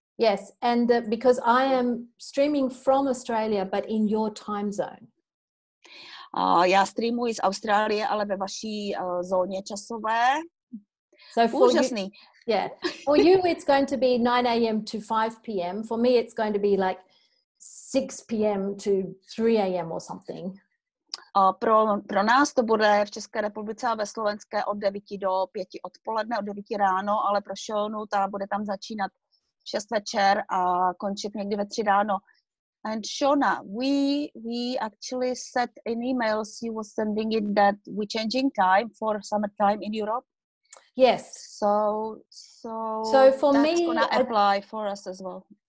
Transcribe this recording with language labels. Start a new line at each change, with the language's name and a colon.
English: Yes, and because I am streaming from Australia, but in your time zone.
Czech: Já streamuji z Austrálie, ale ve vaší zóně časové.
English: So for you, it's going to be 9 a.m. to 5 p.m. For me, it's going to be like 6 p.m. to 3 a.m. or something.
Czech: Pro nás to bude v České republice a ve Slovenské od 9 do 5 odpoledne, od 9 ráno, ale pro Šonu ta bude tam začínat 6 večer a končit někdy ve 3 ráno.
English: And Shona, we actually sent in emails you were sending in that we're changing time for summertime in Europe. Yes. So for that's me, gonna apply for us as well.